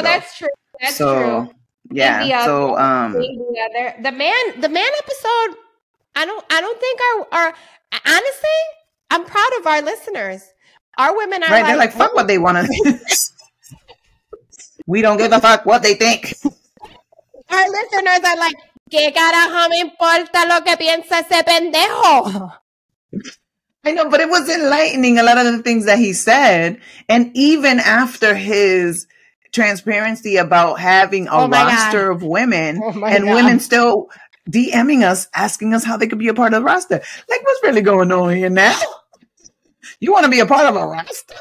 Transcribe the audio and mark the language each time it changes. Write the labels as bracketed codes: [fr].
[en] Oh, that's true. Yeah. The man episode. Honestly, I'm proud of our listeners. Our women are They're like, fuck what they want to think. We don't give a fuck what they think. Our listeners are like, [es] ¿qué carajo me importa lo que piensa ese pendejo? [en] I know, but it was enlightening, a lot of the things that he said. And even after his transparency about having a roster of women, women still DMing us, asking us how they could be a part of the roster. Like, what's really going on here now? You want to be a part of a roster?